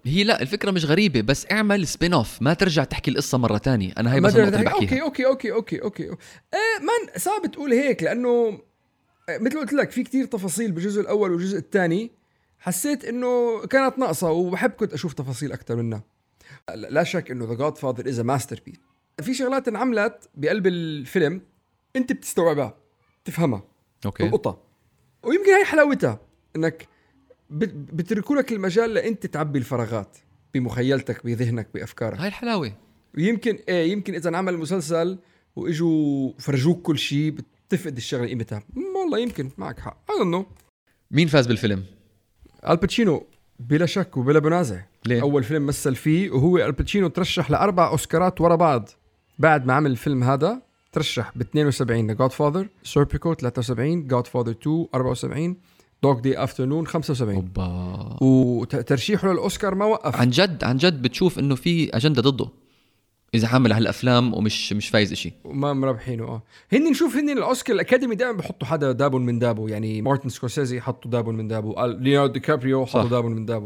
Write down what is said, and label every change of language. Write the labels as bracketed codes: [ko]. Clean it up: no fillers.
[ar] هي لا الفكرة مش غريبة، بس اعمل سبين اوف، ما ترجع تحكي القصة مرة تانية. أنا هاي بس النقطة اللي بحكيها. أوكي أوكي أوكي أوكي أوكي. من صعب تقول هيك لأنه مثل قلت لك في كتير تفاصيل بالجزء الأول والجزء الثاني. حسيت انه كانت ناقصه وبحب كنت اشوف تفاصيل اكثر منها. لا شك انه [en] The Godfather is a masterpiece. [ar] في شغلات انعملت بقلب الفيلم انت بتستوعبها تفهمها اوكي القطة. ويمكن هاي حلاوتها انك بتركوا لك المجال لانت تعبي الفراغات بمخيلتك بذهنك بافكارك، هاي الحلاوه. ويمكن ايه يمكن اذا انعمل مسلسل واجوا فرجوك كل شيء بتفقد الشغل قيمتها. والله يمكن معك حق. [en] I don't know. [ar] مين فاز بالفيلم؟ الباتشينو بلا شك وبلا منازع. ليه؟ اول فيلم مثل فيه، وهو الباتشينو ترشح لاربع اوسكارات ورا بعض بعد ما عمل الفيلم هذا. ترشح ب72 Godfather، سيربيكو 73، Godfather 2 74، Dog Day Afternoon 75. اوبا. وترشيحه للاوسكار ما وقف. عن جد عن جد بتشوف انه في اجنده ضده اذا عمل هالافلام ومش فايز شيء وما مربحينه. هن نشوف هن الاوسكار الاكاديمي دائما بحطوا حدا دابون من دابو، يعني مارتن سكورسيزي حطوا دابون من دابو، ليوناردو كابريو حطوا دابون من دابو،